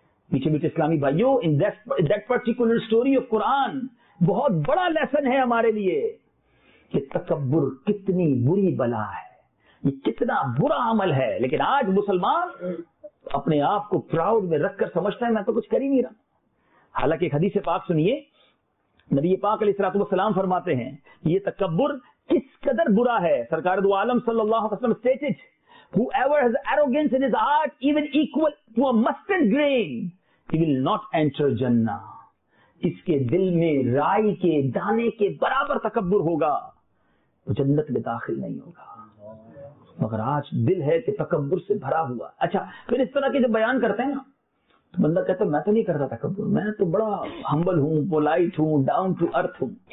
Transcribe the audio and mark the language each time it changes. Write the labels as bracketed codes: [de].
[ur] میٹھے میٹھے اسلامی بھائیوں، [en] in that particular story of Quran [ur] بہت بڑا لیسن ہے ہمارے لیے کہ تکبر کتنی بری بلا ہے، یہ کتنا برا عمل ہے. لیکن آج مسلمان اپنے آپ کو پراؤڈ میں رکھ کر سمجھتا ہے میں تو کچھ کر ہی نہیں رہا. حالانکہ ایک حدیث پاک سنیے، نبی پاک علیہ الصلوۃ والسلام فرماتے ہیں یہ تکبر کس قدر برا ہے. [en] سرکار دو عالم صلی اللہ علیہ وسلم stated, whoever has arrogance in his heart even equal to a mustard grain, he will not enter Jannah. [ur] اس کے دل میں رائی کے دانے کے برابر تکبر ہوگا، وہ جنت میں داخل نہیں ہوگا. مگر آج دل ہے کہ تکبر سے بھرا ہوا. اچھا پھر اس طرح کے جب بیان کرتے ہیں نا، تو بندہ کہتا ہے میں تو نہیں کرتا تکبر، میں تو بڑا ہمبل ہوں، پولائٹ ہوں، [en] down to earth [ur] ہوں.